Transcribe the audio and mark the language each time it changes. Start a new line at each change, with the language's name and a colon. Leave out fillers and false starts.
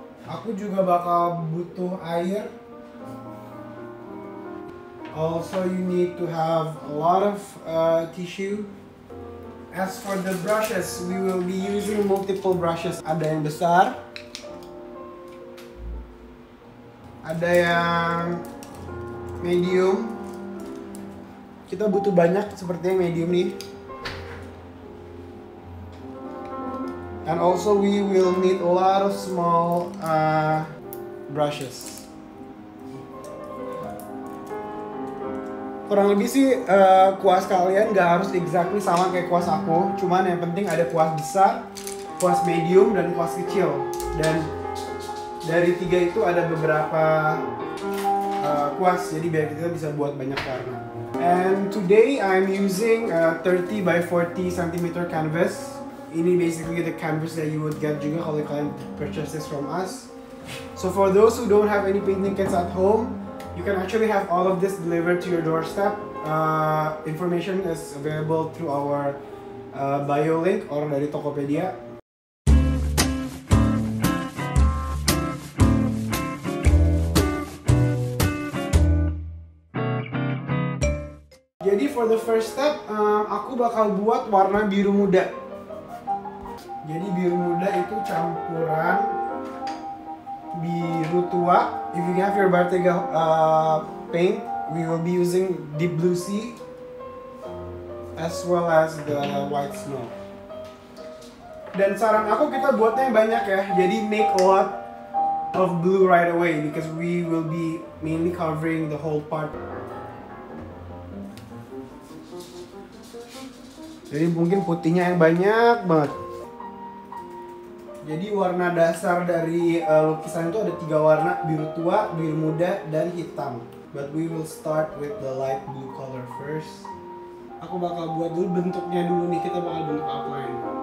Indonesian: Aku juga bakal butuh air.
English: Also you need to have a lot of tissue. As for the brushes, we will be using multiple brushes.
Indonesian: Ada yang besar, ada yang medium. Kita butuh banyak seperti yang medium nih.
English: And also we will need a lot of small brushes.
Indonesian: Kurang lebih sih kuas kalian gak harus exactly sama kayak kuas aku. Cuman yang penting ada kuas besar, kuas medium, dan kuas kecil. Dan dari tiga itu ada beberapa kuas, jadi biar kita bisa buat banyak warna.
English: And today I'm using 30x40cm canvas.
Indonesian: Ini
English: basically the canvas that you would get
Indonesian: juga kalau kalian
English: purchase this from us. So for those who don't have any painting kits at home, you can actually have all of this delivered to your doorstep. Information is available through our bio link or
Indonesian: dari Tokopedia. Jadi
English: for the first step,
Indonesian: aku bakal buat warna biru muda. Jadi biru muda itu campuran biru tua.
English: If you have your Bartega paint, we will be using deep blue sea as well as the white snow.
Indonesian: Dan saran aku kita buatnya banyak ya.
English: Jadi make a lot of blue right away because we will be mainly covering the whole part.
Indonesian: Jadi mungkin putihnya yang banyak banget. Jadi warna dasar dari lukisan itu ada tiga warna, biru tua, biru muda, dan hitam.
English: But we will start with the light blue color first.
Indonesian: Aku bakal buat dulu bentuknya dulu nih, kita bakal bentuk outline.